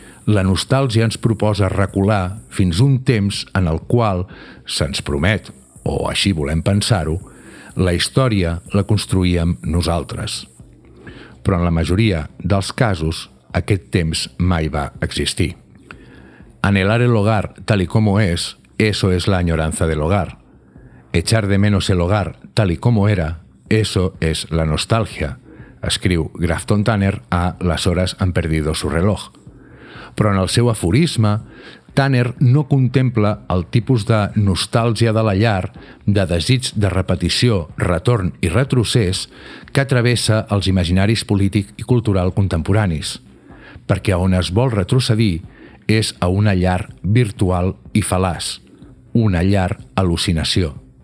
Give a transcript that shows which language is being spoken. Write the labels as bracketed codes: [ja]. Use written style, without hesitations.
[ca] la nostàlgia ens proposa recular fins un temps en el qual se'ns promet, o així volem pensar-ho, la història la construíem nosaltres. Però en la majoria dels casos, aquest temps mai va existir. [es] Anhelar el hogar tal y como es, eso es la añoranza del hogar. Echar de menos el hogar tal y como era, eso es la nostalgia, [ca] escriu Grafton Tanner a [es] Les hores han perdido su reloj. [ca] Però en el seu aforisme, Tanner no contempla el tipus de nostàlgia de la llar, de desig de repetició, retorn i retrocés que travessa els imaginaris polític i cultural contemporanis, perquè on es vol retrocedir és a una llar virtual i fal·laç, una llar al·lucinació.